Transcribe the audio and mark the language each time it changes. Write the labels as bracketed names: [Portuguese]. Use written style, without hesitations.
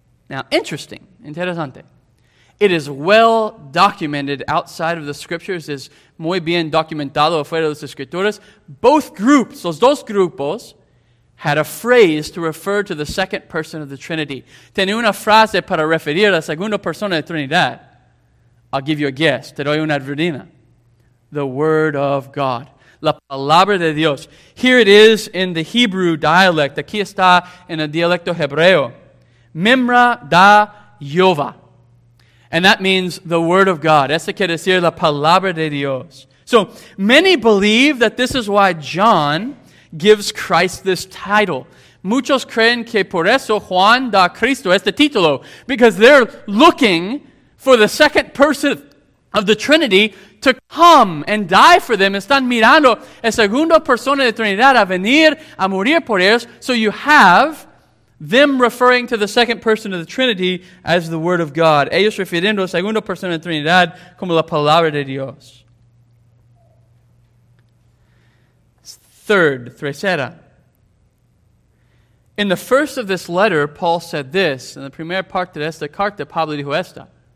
[English] Now, interesting, interesante. It is well documented outside of the scriptures, [Spanish] es muy bien documentado afuera de las escrituras. [English] Both groups, [Spanish] los dos grupos, [English] had a phrase to refer to the second person of the Trinity. [Spanish] Tenía una frase para referir a la segunda persona de Trinidad. [English] I'll give you a guess. [Spanish] Te doy una advertina. [English] The Word of God. [Spanish] La Palabra de Dios. [English] Here it is in the Hebrew dialect. [Spanish] Aquí está en el dialecto hebreo. Mimra da Yova. [English] And that means the Word of God. [Spanish] Eso quiere decir la Palabra de Dios. [English] So, many believe that this is why John gives Christ this title. [Spanish] Muchos creen que por eso Juan da Cristo este título, [English] because they're looking for the second person of the Trinity to come and die for them. [Spanish] Están mirando a segunda persona de Trinidad a venir a morir por ellos. [English] So you have Them referring to the second person of the Trinity as the Word of God. [Spanish] Ellos refiriendo a la segunda persona de la Trinidad como la Palabra de Dios. [English] Third, tercera. In the first of this letter, Paul said this, in the [Spanish] primera parte de esta carta, Pablo dijo esta.